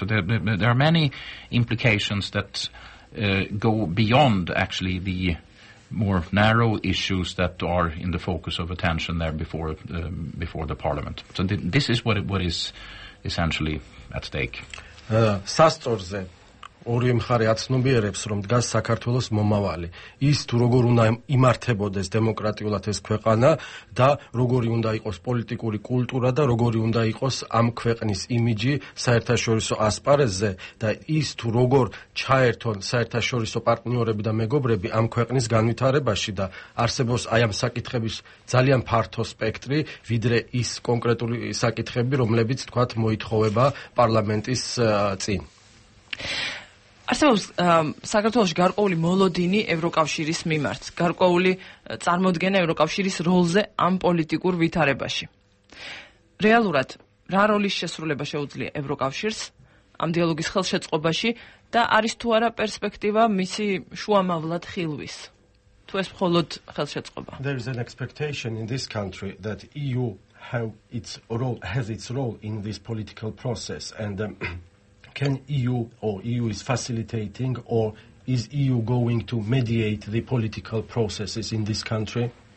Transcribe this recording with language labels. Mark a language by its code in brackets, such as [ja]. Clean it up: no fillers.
[en] So there are many implications that go beyond actually the more narrow issues that are in the focus of attention there before the parliament. So this is what is essentially at stake. [ka] Sastorze ორი მხარე აცნობიერებს, რომ დგას საქართველოს მომავალი, ის თუ როგორ უნდა იმართებოდეს დემოკრატიულად ეს ქვეყანა და როგორი უნდა იყოს პოლიტიკური კულტურა და როგორი უნდა იყოს ამ ქვეყნის იმიჯი საერთაშორისო ასპარეზზე და ის თუ როგორ ჩაერთონ საერთაშორისო პარტნიორები და მეგობრები ამ ქვეყნის განვითარებაში და არსებობს აი ამ საკითხების ძალიან ფართო სპექტრი, ვიდრე ის კონკრეტული საკითხები, რომლებიც თქვათ მოითხოვება პარლამენტის წინ. Арсеус, საქართველოს გარკვეული მოლოდინი ევროკავშირის მიმართ, გარკვეული წარმოდგენა ევროკავშირის როლზე ამ პოლიტიკურ ვითარებაში. რეალურად, რა როლის შესრულება შეუძლია ევროკავშირს ამ დიალოგის ხელშეწყობაში და არის თუ არა პერსპექტივა მისი შუამავლად ხილვის? თუ ეს მხოლოდ ხელშეწყობა? [en] There is an expectation in this country that EU have its role, has its role in this political process and can EU or EU is facilitating or is EU going to mediate the political processes in this country?